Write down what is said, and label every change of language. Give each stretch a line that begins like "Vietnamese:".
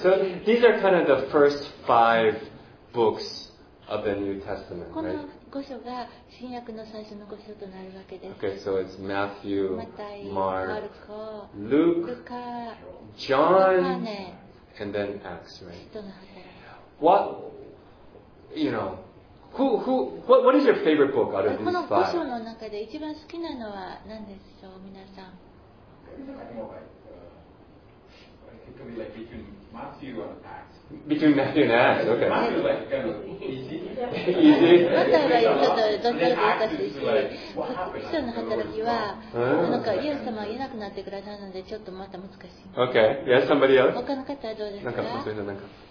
English: So these are kind of the first five books of the New Testament, right? Okay, so it's Matthew, Mark, Luke, John, and then Acts, right? What, you know... What is your favorite book out of these five?
Japanese: この5章の中で一番好きなのは何でしょう、皆さん。
English: I think it'd be like between Matthew and Acts. Between Matthew and Acts, okay. Matthew is like kind of easy. Easy?
Japanese: マタイはちょっとどっちかおかしいし、5章の働きは、なんかイエス様がいなくなってくれたので、ちょっとまた難しい。
English: Okay, yes, somebody else?
Japanese: 他の方はどうですか？なんか、そういうのなんか。